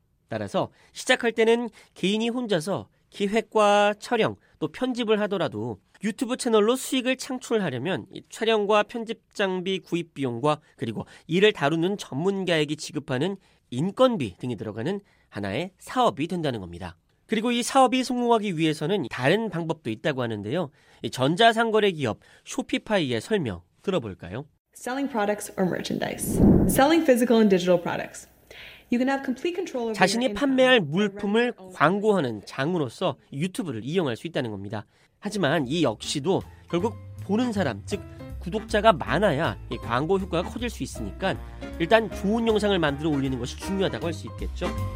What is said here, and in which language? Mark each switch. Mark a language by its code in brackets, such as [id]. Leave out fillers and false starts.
[ko] 따라서 시작할 때는 개인이 혼자서 기획과 촬영 또 편집을 하더라도 유튜브 채널로 수익을 창출하려면 촬영과 편집 장비 구입 비용과 그리고 이를 다루는 전문가에게 지급하는 인건비 등이 들어가는 하나의 사업이 된다는 겁니다. 그리고 이 사업이 성공하기 위해서는 다른 방법도 있다고 하는데요. 전자상거래 기업 쇼피파이의 설명 들어볼까요? [en] Selling products or merchandise. Selling physical and digital products. You can have complete control over [ko] 자신이 판매할 물품을 광고하는 장으로서 유튜브를 이용할 수 있다는 겁니다. 하지만 이 역시도 결국 보는 사람, 즉 구독자가 많아야 이 광고 효과가 커질 수 있으니까 일단 좋은 영상을 만들어 올리는 것이 중요하다고 할 수 있겠죠.